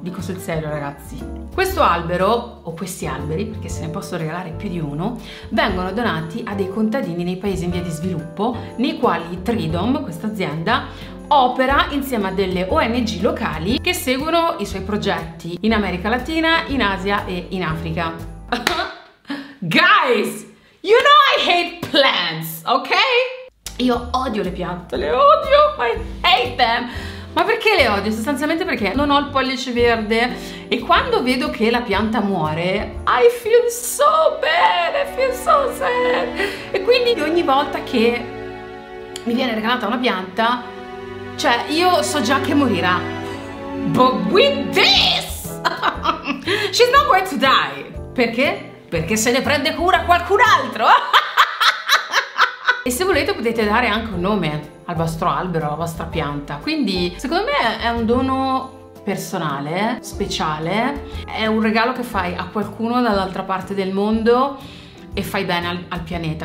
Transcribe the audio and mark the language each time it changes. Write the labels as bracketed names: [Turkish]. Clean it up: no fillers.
[Italian] Dico sul serio ragazzi, questo albero o questi alberi, perché se ne posso regalare più di uno, vengono donati a dei contadini nei paesi in via di sviluppo, nei quali Tridom, questa azienda, opera insieme a delle ONG locali che seguono i suoi progetti in America Latina, in Asia e in Africa. [English] Guys, you know I hate plants, ok? [Italian] Io odio le piante, le odio, [English] I hate them. [Italian] Ma perché le odio? Sostanzialmente perché non ho il pollice verde, e quando vedo che la pianta muore, [English] I feel so bad, I feel so sad. [Italian] E quindi ogni volta che mi viene regalata una pianta, cioè io so già che morirà. [English] But with this, she's not going to die. [Italian] Perché? Perché se ne prende cura qualcun altro. E se volete potete dare anche un nome al vostro albero, alla vostra pianta. Quindi secondo me è un dono personale, speciale, è un regalo che fai a qualcuno dall'altra parte del mondo e fai bene al pianeta.